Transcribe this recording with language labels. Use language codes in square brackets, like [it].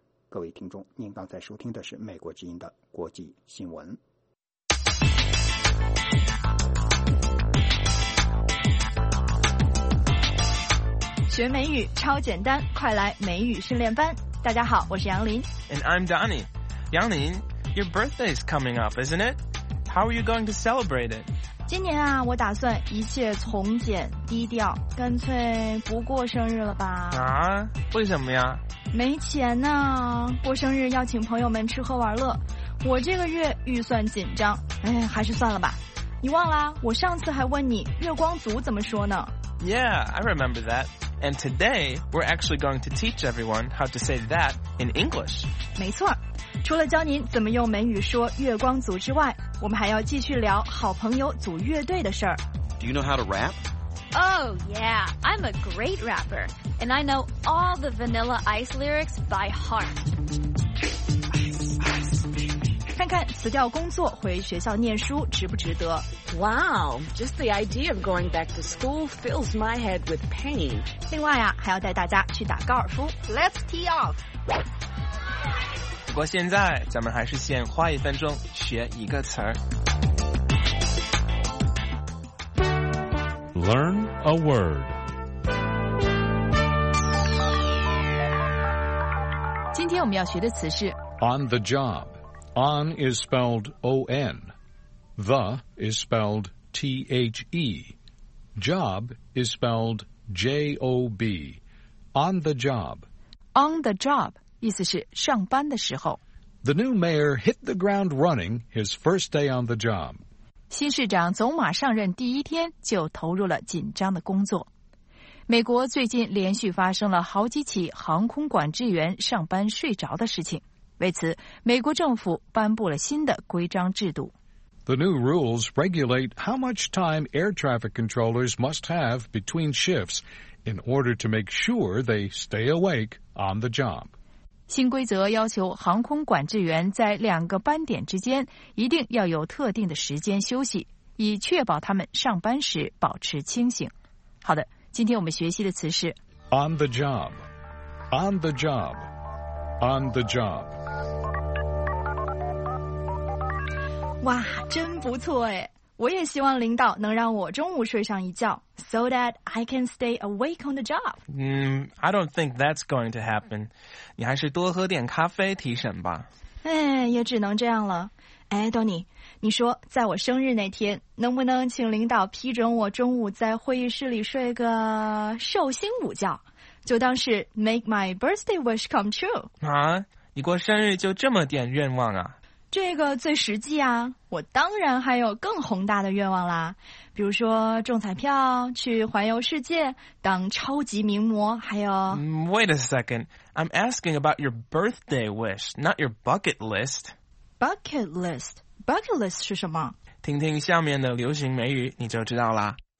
[zh] 各位听众，您刚才收听的是美国之音的国际新闻。学美语超简单，快来美语训练班。大家好，我是杨林。 [en] And I'm Donnie。杨林，Your birthday is coming up, isn't it? How are you going to celebrate it? [zh] 今年啊，我打算一切从简低调，干脆不过生日了吧？啊？为什么呀？没钱呢，过生日要请朋友们吃喝玩乐，我这个月预算紧张，哎，还是算了吧。你忘了，我上次还问你月光族怎么说呢？ [en] Yeah, I remember that. And today, we're actually going to teach everyone how to say that in English. [zh] 没错，除了教您怎么用美语说月光族之外，我们还要继续聊好朋友组乐队的事儿。 [en] Do you know how to rap? Oh yeah, I'm a great rapper. And I know all the Vanilla Ice lyrics by heart. [zh] 看看辞掉工作回学校念书值不值得。 [en] Wow, just the idea of going back to school fills my head with pain. [zh] 另外啊，还要带大家去打高尔夫。 [en] Let's tee off. [zh] 不过现在咱们还是先花一分钟学一个词儿。 [en] Learn a word. [zh] 天我们要学的词是 [en] On the job. On is spelled O-N. The is spelled T-H-E. Job is spelled J-O-B. On the job. [zh] On the job 意思是上班的时候。 [en] The new mayor hit the ground running his first day on the job. [zh] 新市长走马上任第一天就投入了紧张的工作。美国最近连续发生了好几起航空管制员上班睡着的事情。为此，美国政府颁布了新的规章制度。 [en] The new rules regulate how much time air traffic controllers must have between shifts in order to make sure they stay awake on the job. [zh] 新规则要求航空管制员在两个班点之间一定要有特定的时间休息，以确保他们上班时保持清醒。好的。今天我们学习的词是 [en] On the job, on the job, on the job. [zh] 哇，真不错哎！我也希望领导能让我中午睡上一觉 [en] so that I can stay awake on the job. I don't think that's going to happen. [zh] 你还是多喝点咖啡提神吧。哎，也只能这样了。哎 ，Donny， 你说在我生日那天，能不能请领导批准我中午在会议室里睡个寿星午觉，就当是 [en] make my birthday wish come true？ [zh] 啊，你过生日就这么点愿望啊？这个最实际啊！我当然还有更宏大的愿望啦，比如说中彩票、去环游世界、当超级名模，还有。 [en] Wait a second, I'm asking about your birthday wish, not your bucket list. Bucket list. Bucket list [zh] 是什么？听听下面的流行美语你就知道啦。